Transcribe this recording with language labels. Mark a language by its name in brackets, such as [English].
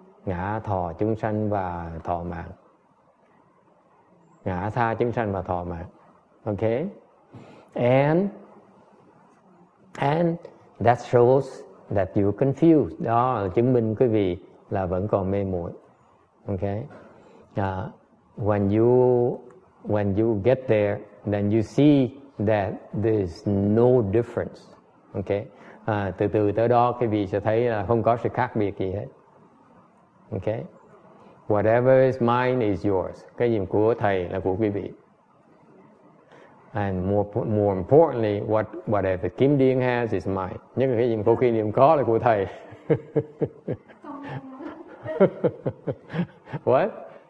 [Vietnamese] Ngã, thọ, chúng sanh và thọ mạng. Ngã tha chúng sanh và thọ mạng. Okay? [English] And that shows that you're confused. [Vietnamese] Đó là chứng minh quý vị là vẫn còn mê muội. [English] Okay? When you get there, then you see that there's no difference. Okay? [Vietnamese] Từ từ tới đó quý vị sẽ thấy là không có sự khác biệt gì hết. Okay? [English] Whatever is mine is yours. [Vietnamese] Cái gì của thầy là của quý vị. [English] And more importantly, whatever Kim Điên has is mine. [Vietnamese] Nhất là cái gì của Kim Điên có là của thầy. [English] What?